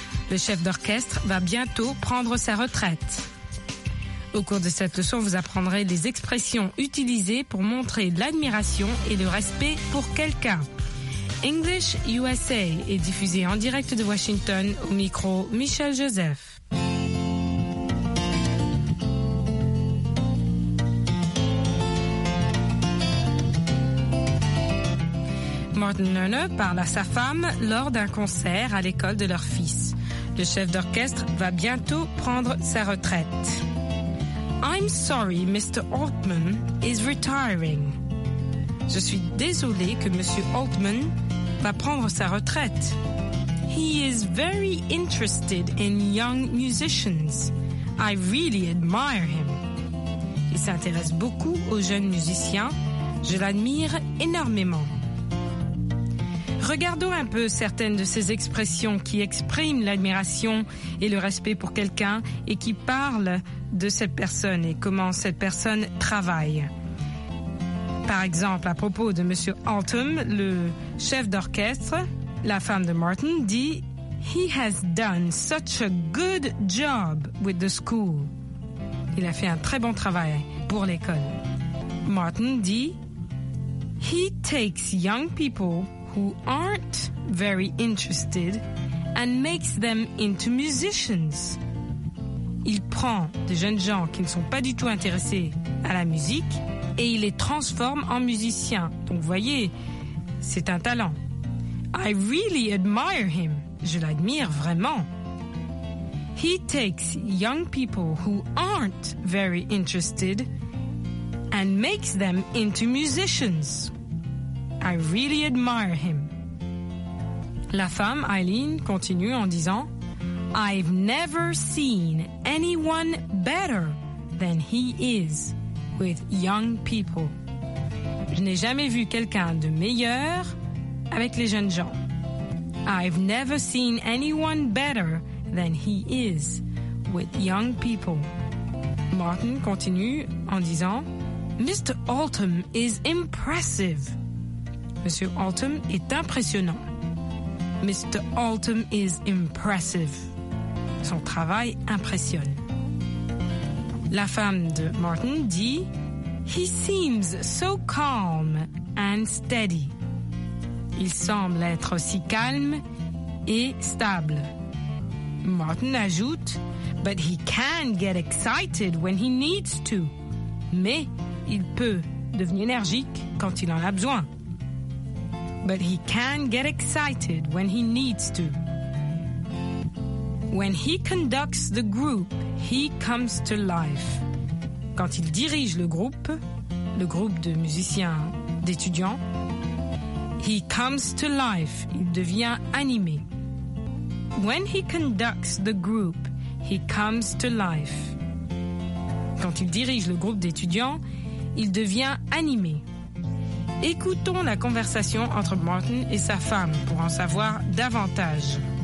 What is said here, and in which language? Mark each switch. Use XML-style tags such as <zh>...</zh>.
<fr>Le chef d'orchestre va bientôt prendre sa retraite. Au cours de cette leçon, vous apprendrez les expressions utilisées pour montrer l'admiration et le respect pour quelqu'un. English USA est diffusé en direct de Washington au micro Michel Joseph. Martin Lerner parle à sa femme lors d'un concert à l'école de leur fils. Le chef d'orchestre va bientôt prendre sa retraite.</fr> <en>I'm sorry, Mr. Altman is retiring.</en> <fr>Je suis désolé que Monsieur Altman va prendre sa retraite.</fr> <en>He is very interested in young musicians. I really admire him.</en> <fr>Il s'intéresse beaucoup aux jeunes musiciens. Je l'admire énormément. Regardons un peu certaines de ces expressions qui expriment l'admiration et le respect pour quelqu'un et qui parlent de cette personne et comment cette personne travaille. Par exemple, à propos de Monsieur Altman, le chef d'orchestre, la femme de Martin dit «</fr> <en>He has done such a good job with the school.</en> <fr>» Il a fait un très bon travail pour l'école.</fr> <en>Martin dit « He takes young people who aren't very interested and makes them into musicians.</en> <fr>Il prend de jeunes gens qui ne sont pas du tout intéressés à la musique et il les transforme en musiciens. Donc vous voyez, c'est un talent.</fr> <en>I really admire him.</en> <fr>Je l'admire vraiment.</fr> <en>He takes young people who aren't very interested and makes them into musicians. I really admire him.</en> <fr>La femme, Eileen, continue en disant,</fr> <en>I've never seen anyone better than he is with young people.</en> <fr>Je n'ai jamais vu quelqu'un de meilleur avec les jeunes gens.</fr> <en>I've never seen anyone better than he is with young people. Martin</en> <fr>continue en disant,</fr> <en>Mr. Altum is impressive.</en> <fr>Monsieur Altum est impressionnant. Mr.</fr> <en>Altum is impressive.</en> <fr>Son travail impressionne. La femme de Martin dit,</fr> <en>He seems so calm and steady.</en> <fr>Il semble être si calme et stable. Martin ajoute,</fr> <en>But he can get excited when he needs to.</en> <fr>Mais il peut devenir énergique quand il en a besoin.</fr> <en>But he can get excited when he needs to. When he conducts the group, he comes to life.</en> <fr>Quand il dirige le groupe de musiciens, d'étudiants,</fr> <en>he comes to life,</en> <fr>il devient animé.</fr> <en>When he conducts the group, he comes to life.</en> <fr>Quand il dirige le groupe d'étudiants, il devient animé. Écoutons la conversation entre Martin et sa femme pour en savoir davantage.</fr>